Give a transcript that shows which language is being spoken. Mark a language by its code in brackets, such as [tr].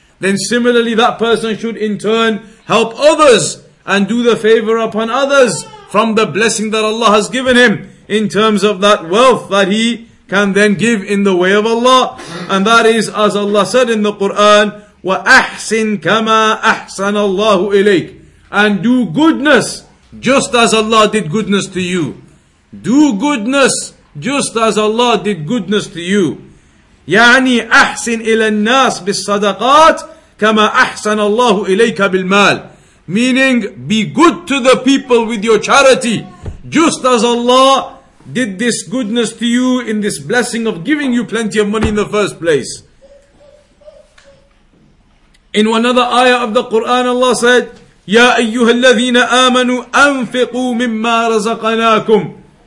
[en] Then similarly, that person should in turn help others and do the favor upon others from the blessing that Allah has given him in terms of that wealth that he can then give in the way of Allah. And that is, as Allah said in the Quran, [ar] وَأَحْسِن كَمَا أَحْسَنَ اللَّهُ إِلَيْكَ, [en] and do goodness just as Allah did goodness to you. Do goodness just as Allah did goodness to you. [ar] يعني أحسن إلى الناس بالصدقات كما أحسن الله إليك بالمال. [en] Meaning, be good to the people with your charity, just as Allah did this goodness to you in this blessing of giving you plenty of money in the first place. In another ayah of the Quran, Allah said, [ar] يا أيها الذين آمنوا أنفقوا مما رزقناكم.